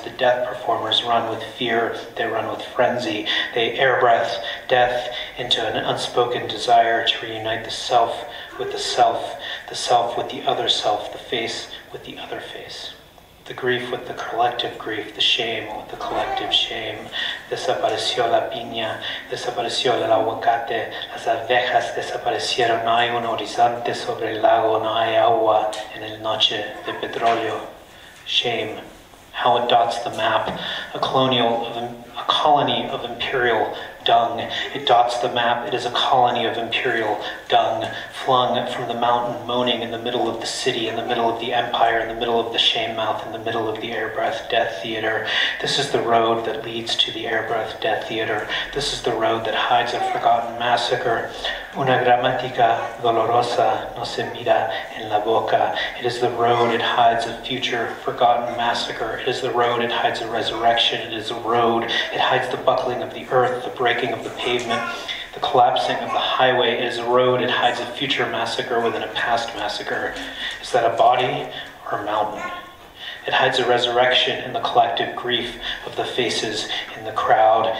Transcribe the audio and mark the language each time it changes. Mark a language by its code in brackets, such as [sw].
[en] The death performers run with fear, they run with frenzy, they air breath death into an unspoken desire to reunite the self with the self. the self with the other self, the face with the other face, the grief with the collective grief, the shame with the collective shame. [es] Desapareció la piña, desapareció el aguacate, las abejas desaparecieron, no hay un horizonte sobre el lago, no hay agua en el noche de petróleo. [en] Shame, how it dots the map, a colony of imperial dung. It dots the map, it is a colony of imperial dung, flung from the mountain, moaning in the middle of the city, in the middle of the empire, in the middle of the shame mouth, in the middle of the air breath death theater. This is the road that leads to the air breath death theater. This is the road that hides a forgotten massacre. [es] Una gramática dolorosa no se mira en la boca. [en] It is the road, it hides a future forgotten massacre. It is the road, it hides a resurrection. It is a road, it hides the buckling of the earth, the breaking of the pavement, the collapsing of the highway. It is a road, it hides a future massacre within a past massacre. Is that a body or a mountain? It hides a resurrection in the collective grief of the faces in the crowd.